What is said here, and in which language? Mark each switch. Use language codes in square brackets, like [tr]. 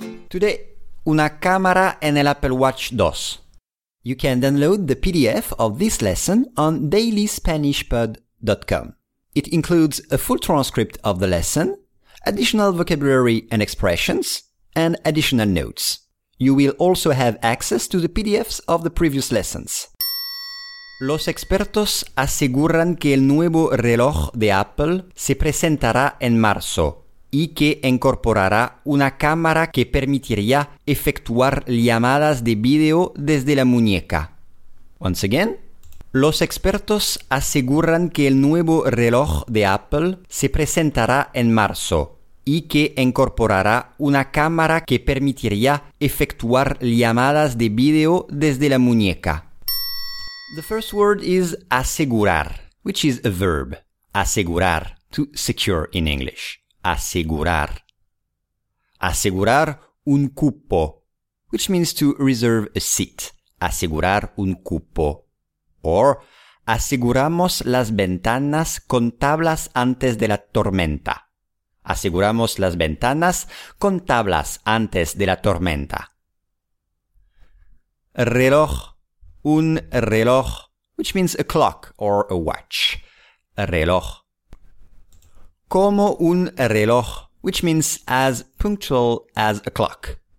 [en] Today, [es] una cámara en el Apple Watch 2. [en] You can download the PDF of this lesson on dailyspanishpod.com. It includes a full transcript of the lesson, additional vocabulary and expressions, and additional notes. You will also have access to the PDFs of the previous lessons. [es] Los expertos aseguran que el nuevo reloj de Apple se presentará en marzo y que incorporará una cámara que permitiría efectuar llamadas de video desde la muñeca. [en] Once again. [es] Los expertos aseguran que el nuevo reloj de Apple se presentará en marzo y que incorporará una cámara que permitiría efectuar llamadas de video desde la muñeca. [en] The first word is asegurar, which is a verb. Asegurar, to secure in English. Asegurar. [es] Asegurar un cupo, [en] which means to reserve a seat. [es] Asegurar un cupo. Or, aseguramos las ventanas con tablas antes de la tormenta. Aseguramos las ventanas con tablas antes de la tormenta. Reloj. [en] Un reloj, which means a clock or a watch. Reloj. [es] Como un reloj, [en] which means as punctual as a clock.